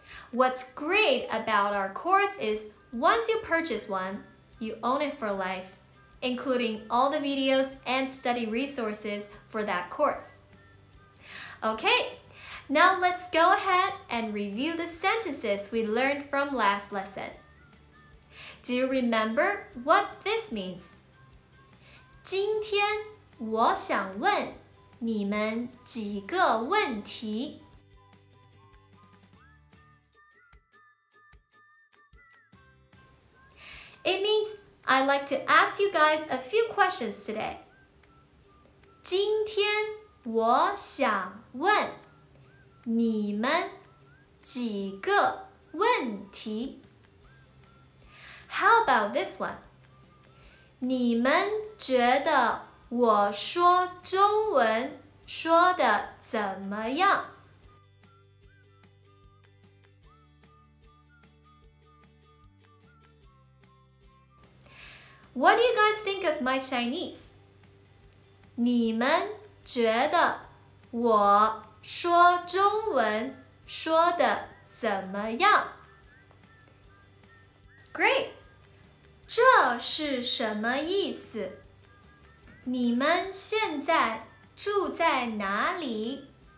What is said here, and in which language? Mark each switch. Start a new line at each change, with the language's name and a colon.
English: What's great about our course is once you purchase one, you own it for life, including all the videos and study resources for that course. Okay, now let's go ahead and review the sentences we learned from last lesson. Do you remember what this means?
Chinese: 今天我想问你们几个问题。
English: It means, I'd like to ask you guys a few questions today.
Chinese: 今天我想问你们几个问题。
English: How about this one?
Chinese: 你们觉得我说中文说的怎么样?
English: What do you guys think of my Chinese?
Chinese: 你们觉得我说中文说的怎么样? Great! 这是什么意思? 你们现在住在哪里?